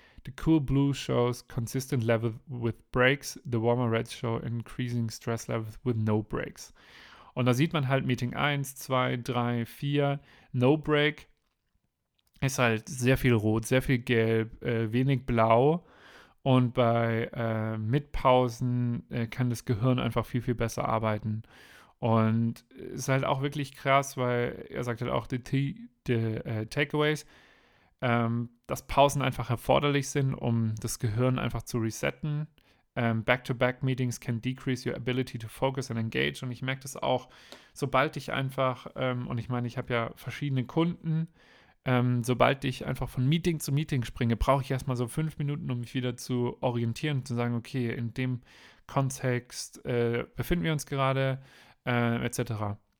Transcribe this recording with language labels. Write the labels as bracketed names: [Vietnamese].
[English] The cool blue shows consistent level with breaks. The warmer red show increasing stress levels with no breaks. [German] Und da sieht man halt Meeting 1, 2, 3, 4. [English] No break [German] ist halt sehr viel rot, sehr viel gelb, wenig blau. Und bei Mitpausen kann das Gehirn einfach viel, viel besser arbeiten. Und ist halt auch wirklich krass, weil er sagt halt auch, Takeaways. Dass Pausen einfach erforderlich sind, um das Gehirn einfach zu resetten. [English] Back-to-back-Meetings can decrease your ability to focus and engage. [German] Und ich merke das auch, sobald ich einfach, und ich meine, ich habe ja verschiedene Kunden, sobald ich einfach von Meeting zu Meeting springe, brauche ich erstmal so 5 Minuten, um mich wieder zu orientieren, zu sagen, okay, in dem Kontext befinden wir uns gerade, etc.